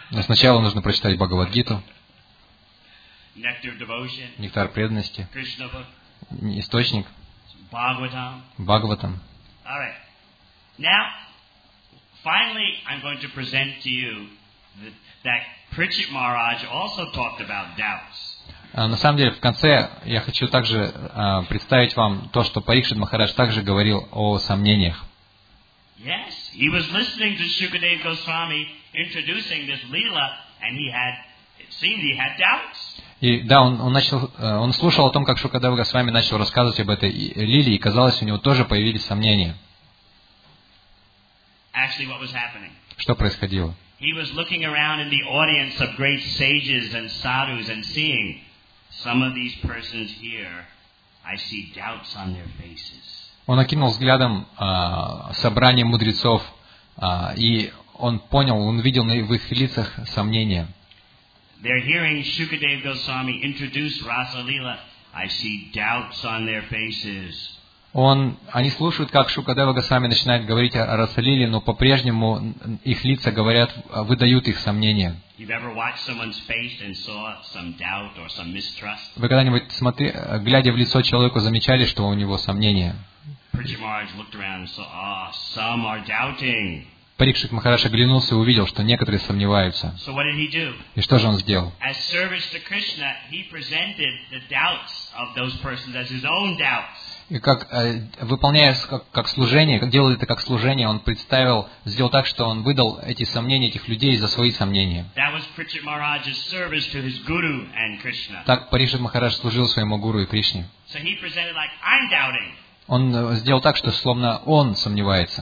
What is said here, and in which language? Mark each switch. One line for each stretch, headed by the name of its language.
Russian: Но сначала нужно прочитать Бхагавад Гиту.
English: Nectar of devotion.
Russian: Нектар преданности.
English: Krishna book.
Russian: Источник.
English: Bhagavatam.
Russian: Bhagavatam.
English: All right. Now, finally, I'm going to present to you that Prichit Maharaj also talked about doubts.
Russian: На самом деле, в конце я хочу также представить вам то, что Парикшит Махарадж также говорил о сомнениях.
English: Yes, he was listening to Shukadeva Goswami introducing this lila, and it seemed he had doubts.
Russian: И да, он слушал о том, как Шукадева Госвами начал рассказывать об этой лиле, и казалось, у него тоже появились сомнения.
English: Actually, what was happening?
Russian: Что происходило?
English: He was looking around in the audience of great sages and sadhus and seeing some of these persons here. I see doubts on their faces.
Russian: Он окинул взглядом собрание мудрецов, и он понял, он видел в их лицах сомнения.
English: They're hearing Shukadeva Goswami introduce Rasa Lila. I see doubts on their faces.
Russian: Они слушают, как Шукадева Госвами начинает говорить о Расалиле, но по-прежнему их лица говорят, выдают их сомнения.
English: You've ever watched someone's face and saw some doubt or some mistrust?
Russian: Вы когда-нибудь, глядя в лицо человеку, замечали, что у него сомнения?
English: Prichit Maharaj looked around and saw, some are doubting.
Russian: Парикшит Махарадж оглянулся и увидел, что некоторые сомневаются.
English: So what did he do?
Russian: И что же он сделал?
English: As service to Krishna, he presented the doubts of those persons as his own doubts.
Russian: И как выполняя как служение, как делал это как служение, он представил, сделал так, что он выдал эти сомнения этих людей за свои сомнения.
English: That was Prichit Maharaj's service to his guru and Krishna.
Russian: Так Паришит Махарадж служил своему гуру и Кришне.
English: So he presented like I'm doubting.
Russian: Он сделал так, что словно он сомневается.